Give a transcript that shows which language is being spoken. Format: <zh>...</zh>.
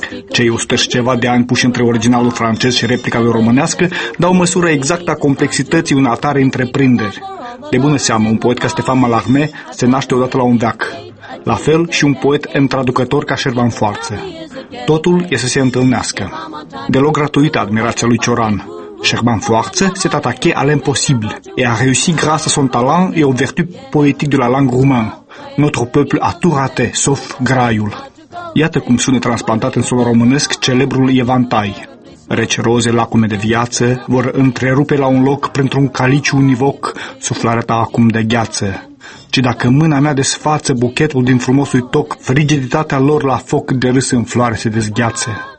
<ro>Cei 100 și ceva de ani puși între originalul francez și replica lui românească dau măsură exactă a complexității unei atare întreprinderi. De bună seamă, un poet ca Stefan Mallarmé se naște odată la un veac. La fel și un poet întraducător ca Șerban Foarță. Totul e să se întâlnească. Deloc gratuită admirația lui Cioran.</ro> <fr>Șerban Foarță s'est attaqué à l'impossible et a réussi grâce à son talent et aux vertus poétiques de la langue roumaine. Notre peuple a tout raté, sauf graiul.</fr> <ro>Iată cum sună transplantat în sol românesc celebrul evantai. Reci roze, lacume de viață, vor întrerupe la un loc printr-un caliciu univoc suflarea ta acum de gheață. Și dacă mâna mea desfață buchetul din frumosul toc, frigiditatea lor la foc de râs în floare se dezgheață.</ro>